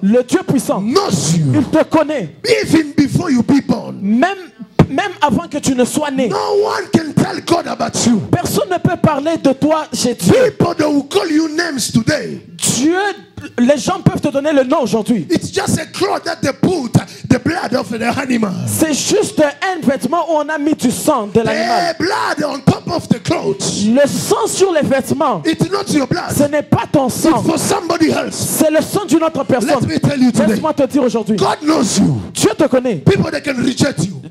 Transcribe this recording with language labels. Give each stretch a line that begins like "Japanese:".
French: le Dieu puissant,
English: knows you.
French: Il te connaît.
English: Even before you be born,
French: même avant que tu ne sois né.
English: No one can tell God about you.
French: Personne ne peut parler de toi chez Dieu.
English: People that will call you names today.
French: Dieu, les gens peuvent te donner le nom aujourd'hui.
English: It's just a cloth that they put the blood of the animal.
French: C'est juste un vêtement où on a mis du sang de l'animal.
English: The blood on top of the clothes.
French: Le sang sur les vêtements.
English: It's not your blood.
French: Ce n'est pas ton sang.
English: It's for somebody else.
French: C'est le sang d'une autre personne.
English: Let me tell you today.
French: Laisse-moi te dire aujourd'hui.
English: God knows you.
French: Dieu te connaît.
English: People that can reject you.